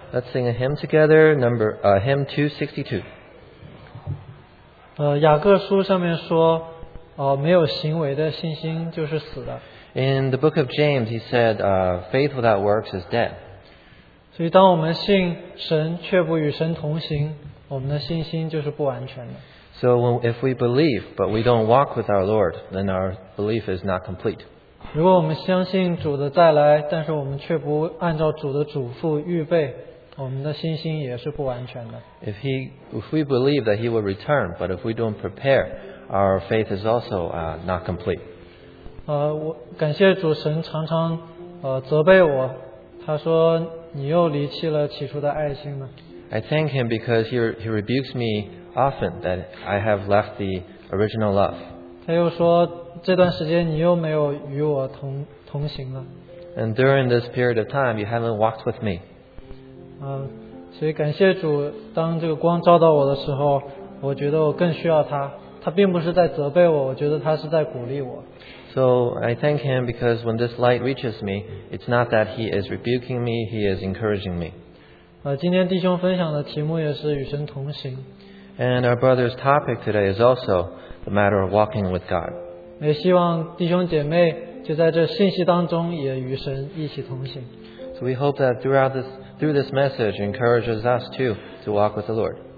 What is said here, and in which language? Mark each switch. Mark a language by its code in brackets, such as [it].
[en] Let's sing a hymn together, hymn 262. [zh] 雅各书上面说，没有行为的信心就是死的。 [en] In the book of James, he said, faith without works is dead. [zh] 所以当我们信神却不与神同行，我们的信心就是不完全的。 [en] So if we believe, but we don't walk with our Lord, then our belief is not complete. [zh] 如果我们相信主的再来，但是我们却不按照主的嘱咐预备，我们的信心也是不完全的。 [en] If we believe that he will return, but if we don't prepare, our faith is also not complete. [zh] 我感谢主神常常责备我，他说你又离弃了起初的爱心吗？ [en] I thank him because he rebukes me often that I have left the original love. [zh] 他又说这段时间你又没有与我同行了。 [en] And during this period of time, you haven't walked with me. [zh] 所以感谢主，当这个光照到我的时候，我觉得我更需要他。他并不是在责备我，我觉得他是在鼓励我。 [en] So I thank him because when this light reaches me, it's not that he is rebuking me, he is encouraging me. [zh] 今天弟兄分享的题目也是与神同行。 [en] And our brother's topic today is also the matter of walking with God. [zh] 也希望弟兄姐妹就在这信息当中也与神一起同行。 [en] So we hope that through this message encourages us too to walk with the Lord.